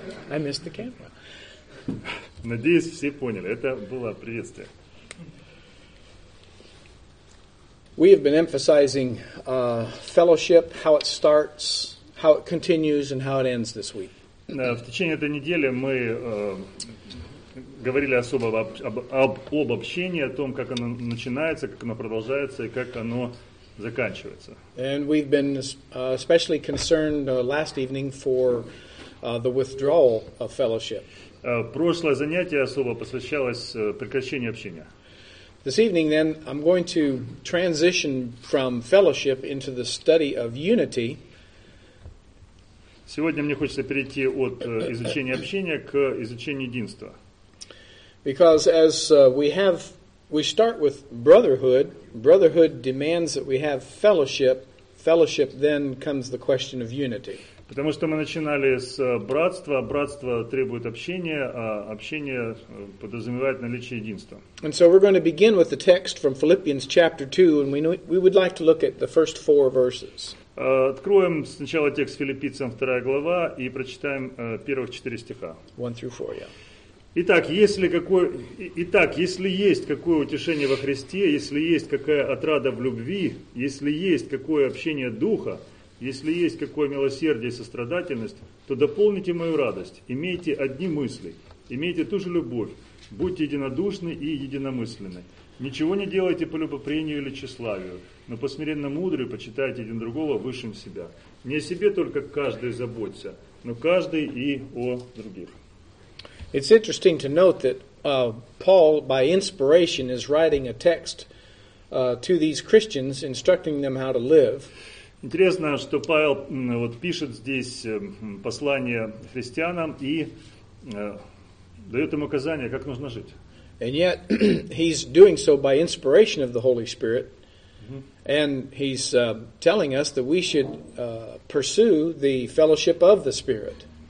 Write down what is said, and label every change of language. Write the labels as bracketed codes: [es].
[en] I missed the camera. [ru] Надеюсь, все поняли. Это было приветствие. [en] We have been emphasizing fellowship, how it starts, how it continues, and how it ends this week. [ru] В течение этой недели мы говорили особо об общении, о том, как оно начинается, как оно продолжается и как оно заканчивается. [en] And we've been especially concerned last evening for the withdrawal of fellowship. [ru] Прошлое занятие особо посвящалось прекращению общения. [en] This evening, then, I'm going to transition from fellowship into the study of unity. [ru] Сегодня мне хочется перейти от изучения общения к изучению единства. [en] Because as we start with brotherhood, brotherhood demands that we have fellowship. Fellowship then comes the question of unity. [ru] Потому что мы начинали с братства, братство требует общения, а общение подразумевает наличие единства. [en] And so we're going to begin with the text from Philippians chapter 2, and we would like to look at the first four verses. [ru] Откроем сначала текст Филиппийцам, 2 глава, и прочитаем первых 4 стиха. [en] 1 through 4, yeah. [ru] Итак, если есть какое утешение во Христе, если есть какая отрада в любви, если есть какое общение Духа, если есть какое милосердие и сострадательность, то дополните мою радость, имейте одни мысли, имейте ту же любовь, будьте единодушны и единомысленны. Ничего не делайте по любопрению или тщеславию, но по смиренно мудрию почитайте один другого высшим себя. Не о себе только каждый заботься, но каждый и о других. [en] It's interesting to note that Paul, by inspiration, is writing a text to these Christians, instructing them how to live. [ru] Интересно, что Павел вот пишет здесь послание христианам и дает им указания, как нужно жить. [en] And yet he's doing so by inspiration of the Holy Spirit, and he's telling us that we should pursue the fellowship of the Spirit.